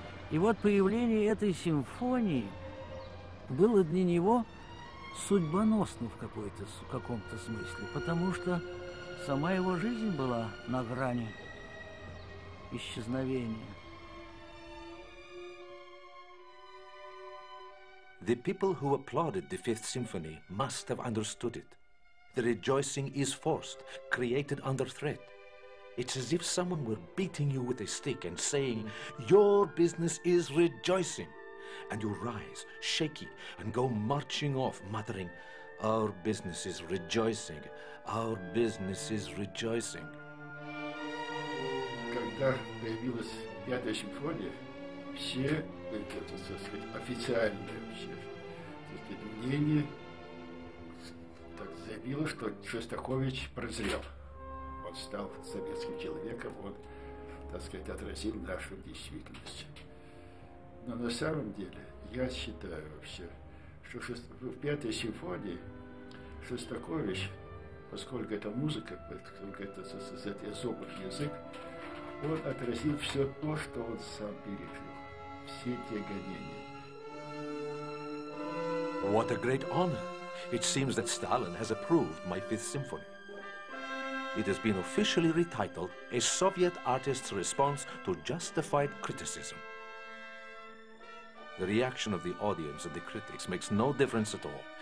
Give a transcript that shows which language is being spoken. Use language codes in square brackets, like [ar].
[ru] И вот появление этой симфонии было для него судьбоносно в каком-то смысле, потому что сама его жизнь была на грани исчезновения. [en] The people who applauded the Fifth Symphony must have understood it. The rejoicing is forced, created under threat. It's as if someone were beating you with a stick and saying, your business is rejoicing. And you rise, shaky, and go marching off, muttering, our business is rejoicing, our business is rejoicing. [ru] Когда появилась 5-я симфония, все, это, так сказать, официальное вообще, так сказать, мнение так заявило, что Шостакович прозрел. Он стал советским человеком, он, так сказать, отразил нашу действительность. Но на самом деле, я считаю вообще, что в 5-й симфонии Шостакович, поскольку это музыка, поскольку это зубовный язык, он отразил все то, что он сам пережил, все те гонения. [en] What a great honor! It seems that Stalin has approved my 5th symphony. It has been officially retitled a Soviet artist's response to justified criticism. The reaction of the audience and the critics makes no difference at all.